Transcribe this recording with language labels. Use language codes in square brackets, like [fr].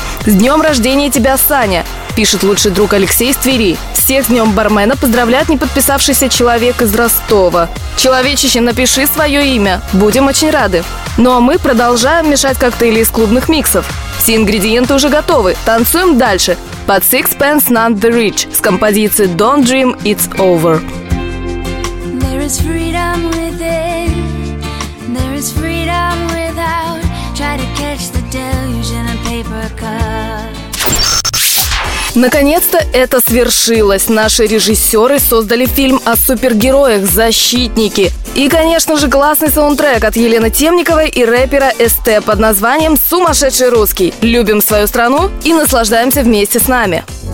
[ru] «С днем рождения тебя, Саня!» – пишет лучший друг Алексей из Твери. «Всех с днем бармена поздравляет неподписавшийся человек из Ростова. Человечище, напиши свое имя. Будем очень рады». Ну а мы продолжаем мешать коктейли из клубных миксов. Все ингредиенты уже готовы. Танцуем дальше. Под Sixpence None the Rich с композицией Don't Dream It's Over. [en] There is freedom within. There is freedom without. Try to catch the deluge in a paper cup. [ru] Наконец-то это свершилось. Наши режиссеры создали фильм о супергероях «Защитники». И, конечно же, классный саундтрек от Елены Темниковой и рэпера СТ под названием «Сумасшедший русский». Любим свою страну и наслаждаемся вместе с нами.